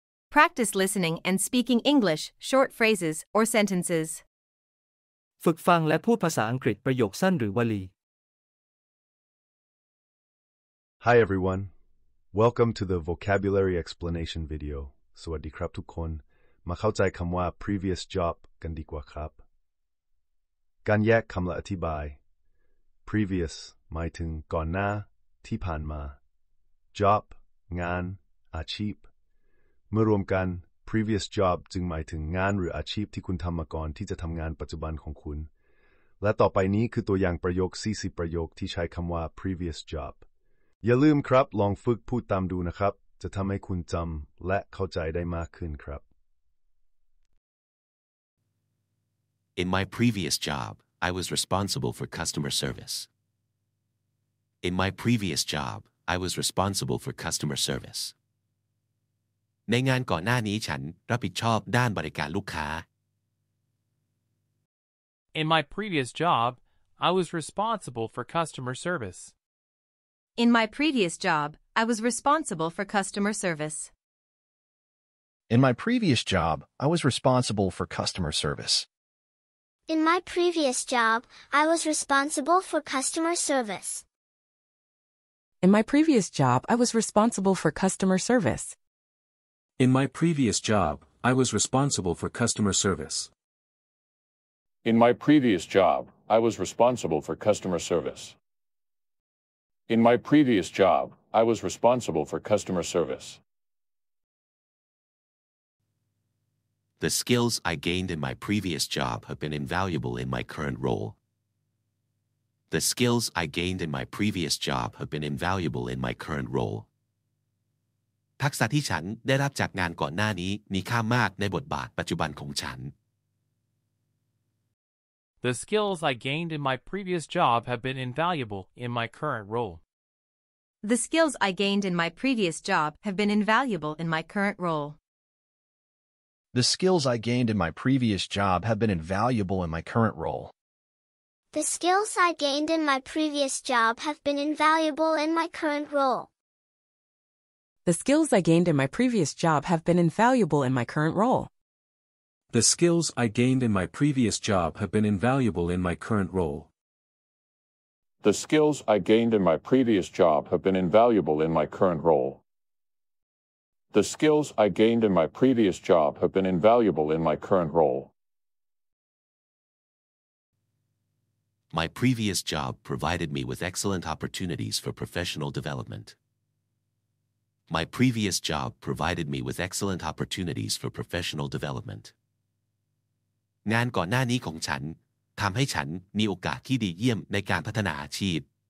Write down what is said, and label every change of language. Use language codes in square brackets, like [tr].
[en] Practice listening and speaking English, short phrases, or sentences. [th] ฝึกฟังและพูดภาษาอังกฤษประโยคสั้นหรือวลี [en] Hi everyone. Welcome to the vocabulary explanation video. [th] สวัสดีครับทุกคนมาเข้าใจคำว่า previous job กันดีกว่าครับการแยกคำและอธิบาย previous หมายถึงก่อนหน้าที่ผ่านมา job งานอาชีพเมื่อรวมกัน previous job จึงหมายถึงงานหรืออาชีพที่คุณทำมาก่อนที่จะทำงานปัจจุบันของคุณและต่อไปนี้คือตัวอย่างประโยค40ประโยคที่ใช้คำว่า previous job อย่าลืมครับลองฝึกพูดตามดูนะครับจะทำให้คุณจำและเข้าใจได้มากขึ้นครับ [en] In my previous job, I was responsible for customer service. In my previous job, I was responsible for customer service [th] ในงานก่อนหน้านี้ฉันรับผิดชอบด้านบริการลูกค้า [en] In my previous job, I was responsible for customer service. In my previous job, I was responsible for customer service. In my previous job, I was responsible for customer service. In my previous job, I was responsible for customer service. In my previous job, I was responsible for customer service. In my previous job, I was responsible for customer service. In my previous job, I was responsible for customer service. In my previous job, I was responsible for customer service. The skills I gained in my previous job have been invaluable in my current role. The skills I gained in my previous job have been invaluable in my current role. [th] ทักษะที่ฉันได้รับจากงานก่อนหน้านี้มีค่ามากในบทบาทปัจจุบันของฉัน [en] The skills I gained in my previous job have been invaluable in my current role. The skills I gained in my previous job have been invaluable in my current role. The skills I gained in my previous job have been invaluable in my current role. The skills I gained in my previous job have been invaluable in my current role. The skills I gained in my previous job have been invaluable in my current role. The skills I gained in my previous job have been invaluable in my current role. The skills I gained in my previous job have been invaluable in my current role. The skills I gained in my previous job have been invaluable in my current role. My previous job provided me with excellent opportunities for professional development. My previous job provided me with excellent opportunities for professional development. [th] งานก่อนหน้านี้ของฉันทำให้ฉันมีโอกาสที่ดีเยี่ยมในการพัฒนาอาชีพ